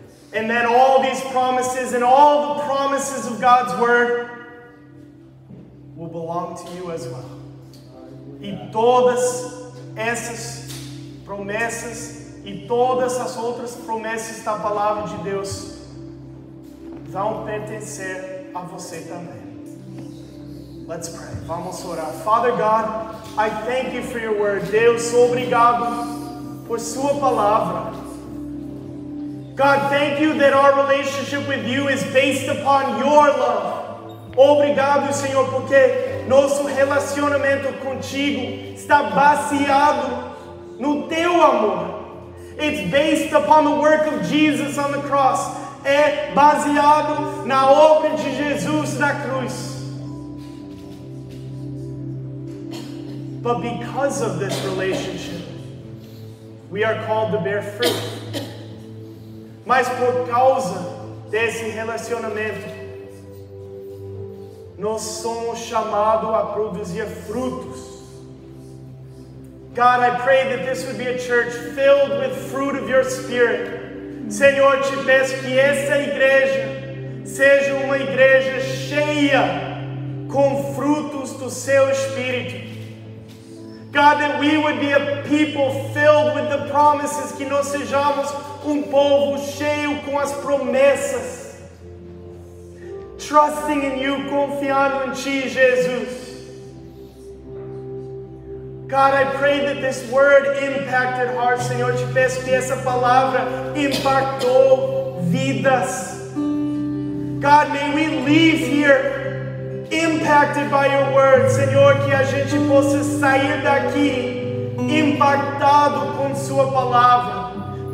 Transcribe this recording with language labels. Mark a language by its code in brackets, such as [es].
[en] And then all these promises and all the promises of God's word will belong to you as well. [pt] E todas essas promessas e todas as outras promessas da palavra de Deus vão pertencer a você também. [en] Let's pray. [pt] Vamos orar. [en] Father God, I thank you for your word. [pt] Deus, obrigado por sua palavra. [en] God, thank you that our relationship with you is based upon your love. [pt] Obrigado, Senhor, porque nosso relacionamento contigo está baseado no teu amor. [en] It's based upon the work of Jesus on the cross. [pt] É baseado na obra de Jesus na cruz. [en] But because of this relationship, we are called to bear fruit. [pt] Mas por causa desse relacionamento, nós somos chamados a produzir frutos. [en] God, I pray that this would be a church filled with fruit of your Spirit. [pt] Senhor, te peço que essa igreja seja uma igreja cheia com frutos do seu Espírito. [en] God, that we would be a people filled with the promises, [pt] que nós sejamos um povo cheio com as promessas. [en] Trusting in you, [pt] confiando em ti, [en] Jesus. God, I pray that this word impacted hearts. [pt] Senhor, te peço que essa palavra impactou vidas. [en] God, may we leave here impacted by your word. [pt] Senhor, que a gente possa sair daqui impactado com sua palavra.